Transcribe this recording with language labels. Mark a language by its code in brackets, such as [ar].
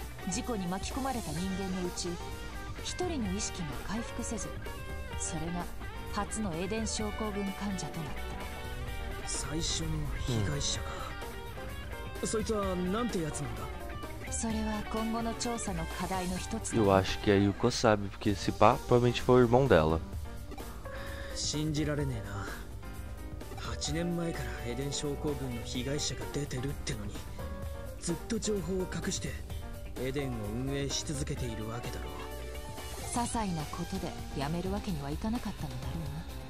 [ja] 事故に巻き込まれた人間のうち一人の意識が回復せず、それが初のエデン症候群患者となった。最初の被害者か、うん、そいつはなんてやつなんだ？それは今後の調査の課題の一つ。 [pt] Eu acho que a Yuko sabe, porque esse pá provavelmente foi o irmão dela. [ja] 信じられねえな。 8年前からエデン症候群の被害者が出てるってのに、ずっと情報を隠してエデンを運営し続けているわけだろう。些細なことでやめるわけにはいかなかったのだろうな。